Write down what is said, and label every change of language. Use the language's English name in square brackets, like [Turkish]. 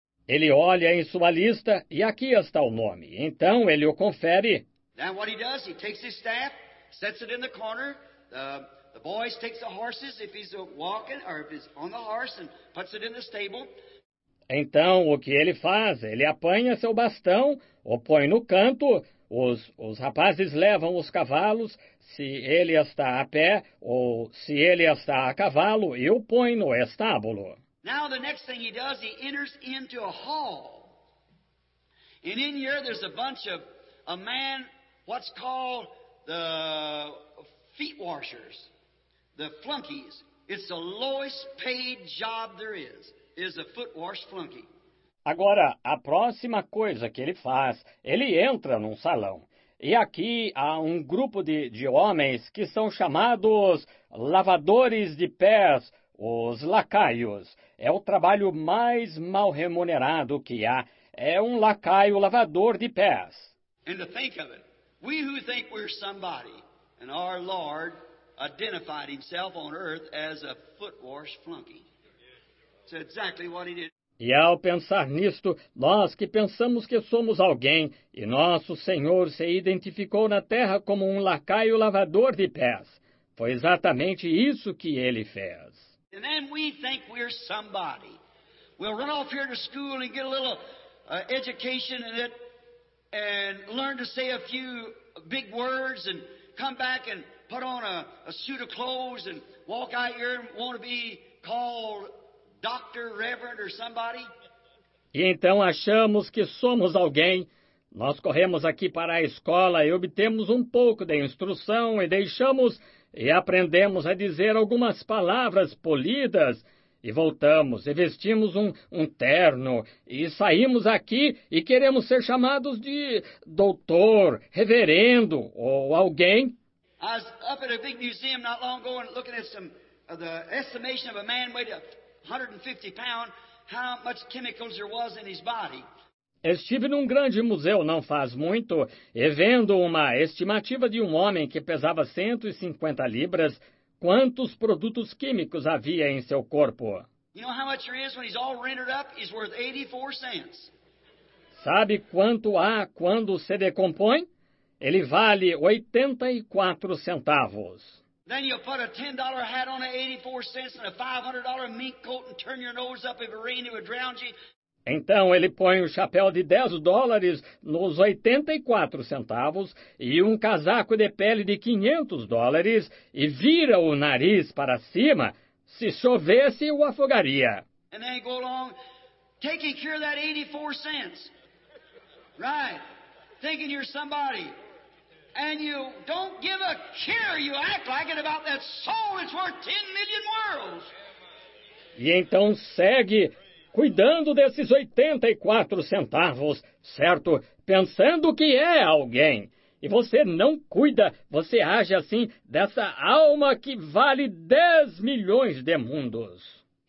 [Portuguese] Ele olha em sua lista, e aqui está o nome. Então, ele o confere. [English] Then what he does, he takes his staff, sets it in the corner, the boys take the horses, if he's walking, or if he's on the horse, and puts it in the stable. [Portuguese] Então, o que ele faz? Ele apanha seu bastão, o põe no canto, os rapazes levam os cavalos, se ele está a pé ou se ele está a cavalo, e o põe no estábulo. [English] Now, the next thing he does, he enters into a hall. And in here, there's a bunch of a man, what's called the feet washers, the flunkies. It's the lowest paid job there is. Is a foot wash flunky. [Portuguese] Agora, a próxima coisa que ele faz, ele entra num salão. E aqui há um grupo de homens que são chamados lavadores de pés, os lacaios. É o trabalho mais mal remunerado que há. É um lacaio lavador de pés. [English] And to think of it, we who think we're somebody, and our Lord identified himself on earth as a foot wash flunky. Exactly what he did. [Portuguese] E ao pensar nisto, nós que pensamos que somos alguém, e nosso Senhor se identificou na terra como um lacaio lavador de pés. Foi exatamente isso que ele fez. [English] And then we think we're somebody. We'll run off here to school and get a little education in it, and learn to say a few big words, and come back and put on a suit of clothes, and walk out here and want to be called Dr. Reverend or somebody. [Portuguese] E então achamos que somos alguém. Nós corremos aqui para a escola e obtemos um pouco de instrução e deixamos e aprendemos a dizer algumas palavras polidas. E voltamos e vestimos um terno e saímos aqui e queremos ser chamados de doutor, reverendo ou alguém. [English] I was up at a big museum not long ago and looking at some of the estimation of a man weighed 150 pounds, how much chemicals there was in his body. [Portuguese] Estive num grande museu não faz muito e vendo uma estimativa de um homem que pesava 150 libras, quantos produtos químicos havia em seu corpo. [English] You know how much there is when he's all rendered up? He's worth 84 cents. [Portuguese] Sabe quanto há quando se decompõe? Ele vale 84 centavos. [English] Then you put a $10 hat on at 84 cents and a $500 mink coat and turn your nose up if it rained it would drown you. [Portuguese] Então ele põe um chapéu de 10 dólares nos 84 centavos e um casaco de pele de 500 dólares e vira o nariz para cima, se chovesse o afogaria. [English] And then go along, taking care of that 84 cents. Right. Thinking you're somebody. And you don't give a care, you act like it about that soul that's worth 10 million worlds. [Portuguese] E então segue cuidando desses 84 centavos, certo? Pensando que é alguém. E você não cuida, você age assim, dessa alma que vale 10 milhões de mundos.